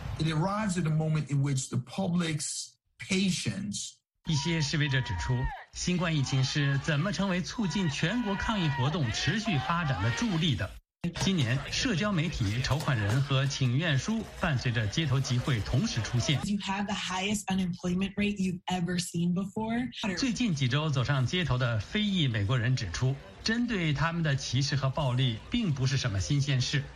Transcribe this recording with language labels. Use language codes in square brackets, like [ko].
[en] It arrives at a moment in which the public's patience。 [zh] 一些示威者指出，新冠疫情是怎么成为促进全国抗议活动持续发展的助力的。今年，社交媒体、筹款人和请愿书伴随着街头集会同时出现。 [en] You have the highest unemployment rate you've ever seen before。 [zh] 最近几周走上街头的非裔美国人指出，针对他们的歧视和暴力并不是什么新鲜事。